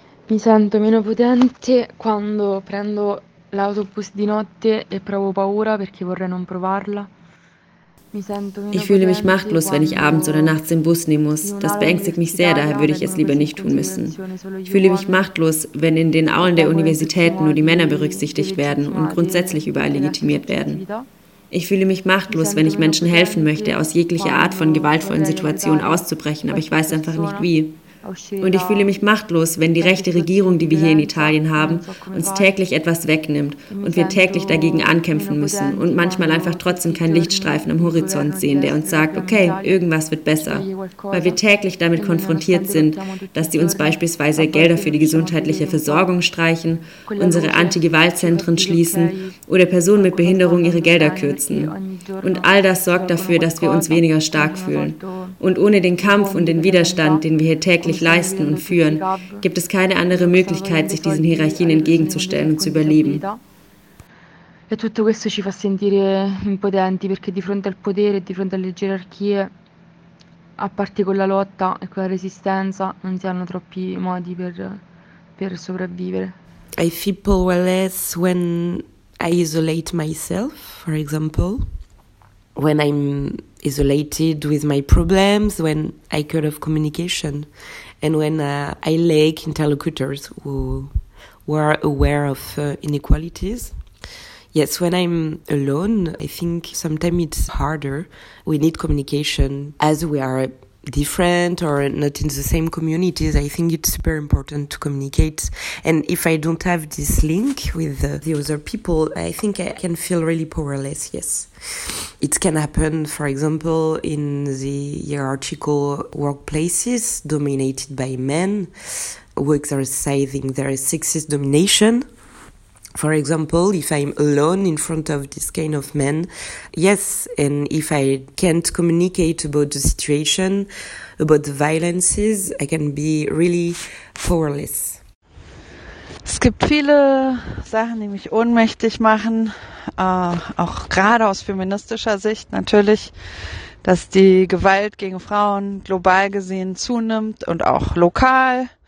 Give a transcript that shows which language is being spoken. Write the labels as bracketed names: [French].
[Italian] Mi sento meno potente quando prendo l'autobus di notte e provo paura perché vorrei non provarla. [German] Ich fühle mich machtlos, wenn ich abends oder nachts den Bus nehmen muss. Das beängstigt mich sehr, daher würde ich es lieber nicht tun müssen. Ich fühle mich machtlos, wenn in den Aulen der Universitäten nur die Männer berücksichtigt werden und grundsätzlich überall legitimiert werden. Ich fühle mich machtlos, wenn ich Menschen helfen möchte, aus jeglicher Art von gewaltvollen Situationen auszubrechen, aber ich weiß einfach nicht wie. Und ich fühle mich machtlos, wenn die rechte Regierung, die wir hier in Italien haben, uns täglich etwas wegnimmt und wir täglich dagegen ankämpfen müssen und manchmal einfach trotzdem keinen Lichtstreifen am Horizont sehen, der uns sagt, okay, irgendwas wird besser. Weil wir täglich damit konfrontiert sind, dass sie uns beispielsweise Gelder für die gesundheitliche Versorgung streichen, unsere Antigewaltzentren schließen oder Personen mit Behinderung ihre Gelder kürzen. Und all das sorgt dafür, dass wir uns weniger stark fühlen. Und ohne den Kampf und den Widerstand, den wir hier täglich leisten und führen, gibt es keine andere Möglichkeit, sich diesen Hierarchien entgegenzustellen und zu überleben. [Italian] E tutto questo ci fa sentire impotenti, perché di fronte al potere, di fronte alle gerarchie, a parte con la lotta e con la resistenza, non si hanno troppi modi per sopravvivere. [English] I feel powerless when I isolate myself, for example. When I'm isolated with my problems, when I cut off communication, and when I lack interlocutors who are aware of inequalities. Yes, when I'm alone, I think sometimes it's harder. We need communication as we are different or not in the same communities. I think it's super important to communicate. And if I don't have this link with the other people, I think I can feel really powerless, yes. It can happen, for example, in the hierarchical workplaces dominated by men who exercising their sexist domination. For example, if I'm alone in front of this kind of men, yes, and if I can't communicate about the situation, about the violences, I can be really powerless. [German] Es gibt viele Sachen, die mich ohnmächtig machen, auch gerade aus feministischer Sicht natürlich, dass die Gewalt gegen Frauen global gesehen zunimmt und auch lokal.